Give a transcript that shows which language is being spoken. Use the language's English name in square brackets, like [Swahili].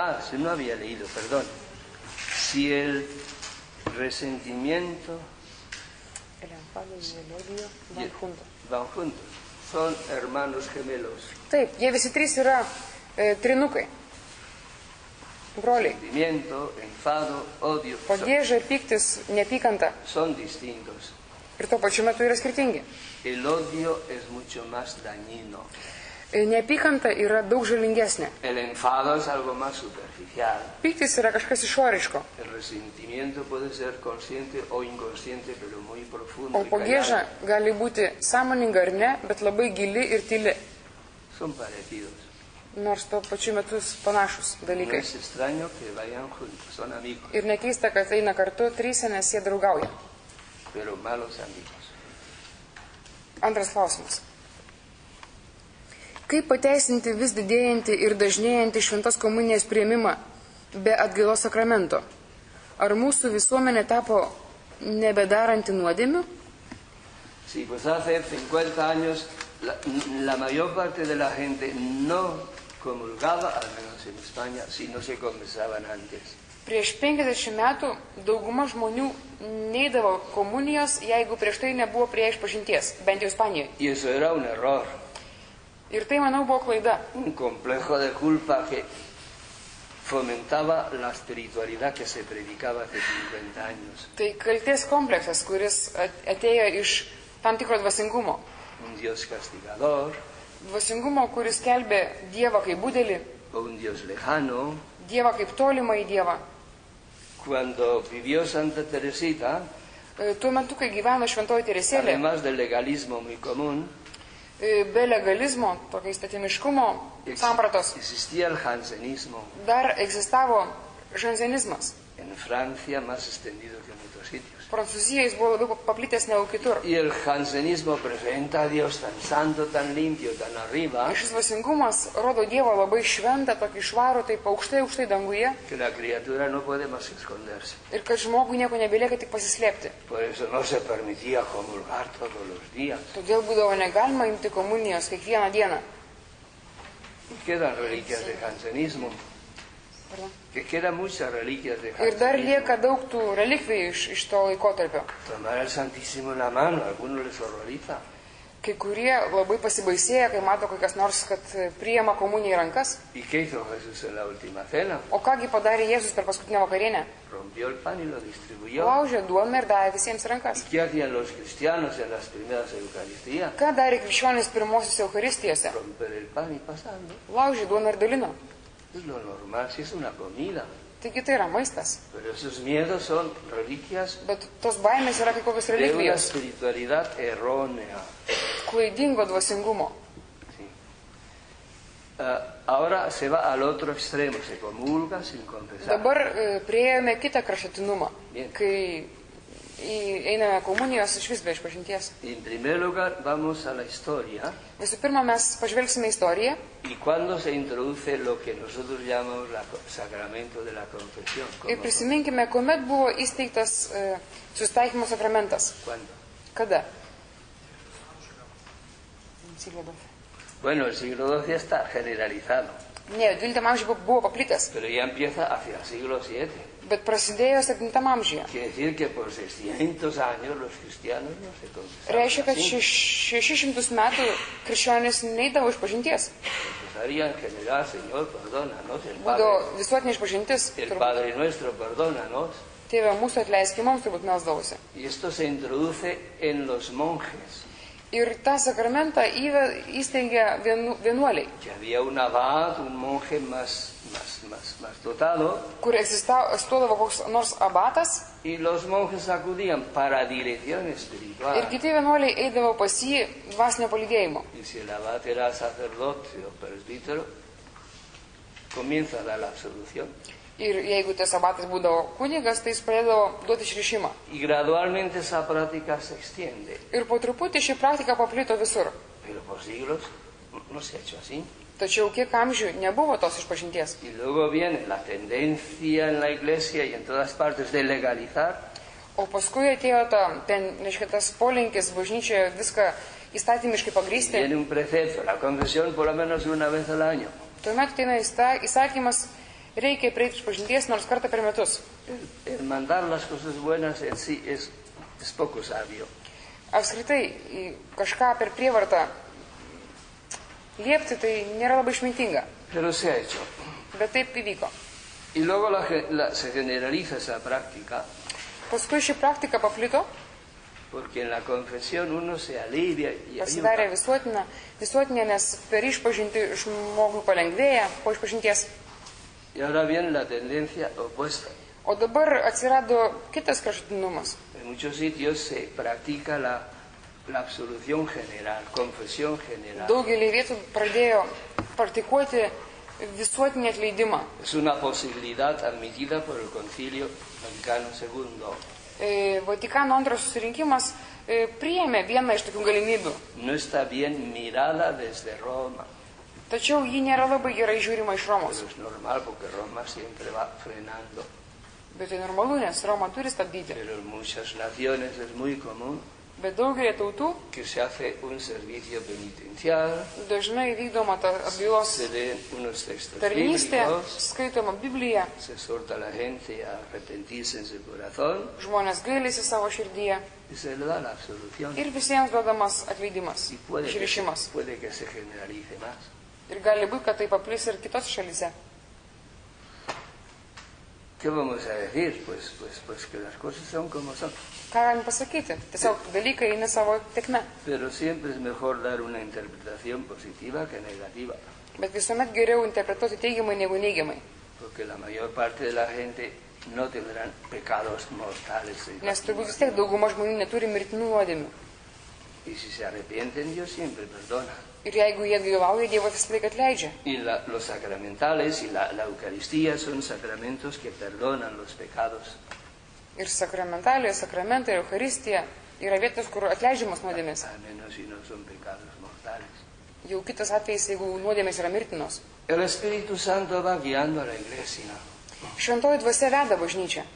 [Spanish] Si no había leído, perdón. Si el resentimiento... El enfado y el odio van juntos. Van juntos. Son hermanos gemelos. [Lithuanian] Taip, jie visi trys yra trinukai. Broliai. [Spanish] Sentimiento, enfado, odio. [Lithuanian] Pagieža, pyktis, neapykanta. [Spanish] Son distintos. [Lithuanian] Ir tuo pačiu metu yra skirtingi. [Spanish] El odio es mucho más dañino. [Lithuanian] Neapykanta yra daug žalingesnė. [Spanish] El enfado es algo más superficial. [Lithuanian] Pyktis yra kažkas išoriško. [Spanish] El resentimiento puede ser consciente o inconsciente, pero muy profundo. [Lithuanian] O pagieža gali būti sąmoninga ar ne, bet labai gili ir tyli. [Spanish] Son parecidos. [Lithuanian] Nors tuo pačiu metu panašus dalykai. [Spanish] No es extraño que vayan juntos, son amigos. [Lithuanian] Ir nekeista, kad eina kartu trys, nes jie draugauja. [Spanish] Pero malos amigos. [Lithuanian] Antras klausimas. Kaip pateisinti vis didėjantį ir dažnėjantį šventos komunijos priėmimą be atgailos sakramento? Ar mūsų visuomenė tapo nebedaranti nuodėmių? [Spanish] Sí, pues hace 50 años la mayor parte de la gente no comulgaba, al menos en España, si no se confesaban antes. [Lithuanian] Prieš 50 metų dauguma žmonių neidavo komunijos, jeigu prieš tai nebuvo prie išpažinties, bent jau Ispanijoje. [Spanish] Y eso era un error. [Lithuanian] Ir tai, manau, buvo klaida. [Spanish] Un complejo de culpa que fomentaba la espiritualidad que se predicaba hace 50 años. [Lithuanian] Tai kaltės kompleksas, kuris atėjo iš tam tikro dvasingumo. [Spanish] Un Dios castigador. [Lithuanian] Dvasingumo, kuris kelbė Dievą kaip budelį. [Spanish] O un Dios lejano. [Lithuanian] Dievą kaip tolimą į Dievą. [Spanish] Cuando vivió Santa Teresita. [Lithuanian] Tuo metu, kai gyveno šventoji Teresėlė. [Spanish] Además del legalismo muy común. [Lithuanian] Be legalizmo, tokio įstatymiškumo, sampratos. [Spanish] Existía el jansenismo. [Lithuanian] Dar egzistavo jansenizmas. [Spanish] En Francia más extendido que en otros sitios. [Lithuanian] Prancūzija jis buvo labiau paplitęs negu kitur. [Spanish] Y el jansenismo presenta a Dios tan santo, tan limpio, tan arriba. [Lithuanian] Šis dvasingumas rodo Dievą labai šventą, tokį švarų, taip aukštai, aukštai danguje. [Spanish] Que la criatura no puede más esconderse. [Lithuanian] Ir kad žmogui nieko nebelieka tik pasislėpti. [Spanish] Por eso no se permitía comulgar todos los días. [Lithuanian] Todėl būdavo negalima imti komunijos kiekvieną dieną. [Spanish] Quedan reliquias de jansenismo. Que queda muchas reliquias de [Lithuanian] ir dar lieka daug tų relikvijų iš to laikotarpio. [Spanish] Tomar el Santísimo en la mano, algunos les horroriza. [Lithuanian] Kai kurie labai pasibaisėja, kai mato kokias nors, kad priema komuniją į rankas. [Spanish] Y que hizo Jesús en la última cena. [Lithuanian] O kągi padarė Jėzus per paskutinę vakarienę? [Spanish] Rompió el pan y lo distribuyó. [Lithuanian] Laužė duoną ir davė visiems rankas. [Spanish] Y que hacían los cristianos en las primeras eucaristías. [Lithuanian] Ką darė krikščionis pirmosios eucharistijose? [Spanish] Romper el pan y pasando. [Lithuanian] Laužė duoną ir dalino. [Spanish] Es lo normal, si es una comida. [Lithuanian] Taigi, tai yra maistas. [Spanish] Pero esos miedos son reliquias. [Lithuanian] Bet tos baimės yra kai kokios relikvijos. [Spanish] De una espiritualidad errónea. [Lithuanian] Klaidingo dvasingumo. [Spanish] Sí. Ahora se va al otro extremo, se comulga sin confesar. [Lithuanian] Dabar priėjome kitą kraštutinumą, kai einame komunijos iš vis be išpažinties. [Spanish] En primer lugar, vamos a la historia. [Lithuanian] Visų pirma, mes pažvelgsime istoriją. [Spanish] Y cuando se introduce lo que nosotros llamamos el sacramento de la confesión. [Lithuanian] Ir prisiminkime, kuomet buvo įsteigtas susitaikymo sakramentas. [Spanish] ¿Cuándo? [Lithuanian] Kada? [Spanish] Bueno, el siglo XII está generalizado. [Lithuanian] Ne, 12 amžiai buvo paplitęs. [Spanish] Pero ya empieza hacia el siglo VII. [Lithuanian] Bet prasidėjo 7 amžiuje. [Spanish] Quiere decir que por 600 años los cristianos no se confesaban. [Lithuanian] Reiškia, kad 600 metų krikščionys neidavo išpažinties. [Spanish] Confesaría en general, Señor, perdónanos. [Lithuanian] Būdavo visuotinė išpažintis. [Spanish] El Padre nuestro, perdónanos. [Lithuanian] Tėve mūsų atleiski mums, turbūt melsdavosi. [Spanish] Y esto se introduce en los monjes. [Lithuanian] Ir tą sakramentą įsteigė vienuoliai. [Spanish] Que había un abad, un monje más dotado. [Lithuanian] Kur egzistavo koks nors abatas. [Spanish] Y los monjes acudían para dirección espiritual. [Lithuanian] Ir kiti vienuoliai eidavo pas jį dvasinio palydėjimo. [Spanish] Y si el abad era sacerdote o presbítero, comienza la absolución. [Lithuanian] Ir jeigu tas abatas būdavo kunigas, tai jis pradėdavo duoti išrišimą. [Spanish] Y gradualmente esa práctica se extiende. [Lithuanian] Ir po truputį ši praktika paplito visur. [Spanish] Pero por siglos no se ha hecho así. [Lithuanian] Tačiau kiek amžių nebuvo tos išpažinties. [Spanish] Y luego viene la tendencia en la iglesia y en todas partes de legalizar. [Lithuanian] O paskui atėjo ta, tas polinkis bažnyčioje viską įstatymiškai pagrįsti. [Spanish] Viene un precepto, la confesión por lo menos una vez al año. [Lithuanian] Tuomet ateina įsakymas. Reikia prieiti išpažinties nors kartą per metus. [Spanish] El mandar las cosas buenas en sí es poco sabio. [Lithuanian] Apskritai, kažką per prievartą liepti, tai nėra labai išmintinga. [Spanish] Pero se ha hecho. [Lithuanian] Bet taip įvyko. [Spanish] Y luego la se generaliza esa práctica. [Lithuanian] Paskui ši praktika paplito. [Spanish] Porque en la confesión uno se alivia y ayuda. [Lithuanian] Pasidarė visuotinė, nes per išpažinti žmogui palengvėja po išpažinties. [Spanish] Y ahora viene la tendencia opuesta. [Lithuanian] O dabar atsirado kitas kraštutinumas. [Spanish] En muchos sitios se practica la absolución general, confesión general. [Lithuanian] Daugelį vietų pradėjo praktikuoti visuotinį atleidimą. [Spanish] Es una posibilidad admitida por el Concilio Vaticano II. [Lithuanian] Vatikano antras susirinkimas priėmė vieną iš tokių galimybių. [Spanish] No está bien mirada desde Roma. [Lithuanian] Tačiau ji nėra labai gerai žiūrima iš Romos. [Spanish] Es normal, porque Roma siempre va frenando. [Lithuanian] Bet tai normalu, nes Roma turi stabdyti. [Spanish] Pero en muchas naciones es muy común. [Lithuanian] Bet daugelė tautų. [Spanish] Que se hace un servicio penitencial. [Lithuanian] Dažnai vykdoma ta atgailos. [Spanish] Se leen unos textos [Lithuanian] tarnystė, [Spanish] bíblicos. [Lithuanian] Skaitoma Biblija. [Spanish] Se exhorta la gente a arrepentirse en su corazón. [Lithuanian] Žmonės gailisi savo širdyje. [Spanish] Y se le da la absolución. [Lithuanian] Ir visiems duodamas atleidimas. [Spanish] Y puede que se generalice más. [Lithuanian] Ir gali būti, kad tai paplis ir kitos šalyse. [Spanish] ¿Qué vamos a decir? Pues que las cosas son como son. [Lithuanian] Ką galim pasakyti? Tiesiog dalykai eina savo tekme. [Spanish] Pero siempre es mejor dar una interpretación positiva que negativa. [Lithuanian] Bet visuomet geriau interpretuoti teigiamai negu neigiamai. [Spanish] Porque la mayor parte de la gente no tendrán pecados mortales. [Lithuanian] Nes turbūt vis tiek dauguma žmonių neturi mirtinų nuodėmių. [Spanish] Y si se arrepienten, Dios siempre perdona. [Lithuanian] Ir jeigu jie gyvauja, Dievas visą laiką atleidžia. [Spanish] Los sacramentales y la Eucaristía son sacramentos que perdonan los pecados. [Lithuanian] Ir sakramentalios, sakramentai, Eucharistija yra vietos, kur atleidžiamos nuodėmės. [Spanish] Al menos si no son pecados mortales. [Lithuanian] Jau kitas atvejis, jeigu nuodėmės yra mirtinos. [Spanish] El Espíritu Santo va guiando a la Iglesia. [Lithuanian] Šventoji dvasia veda bažnyčią.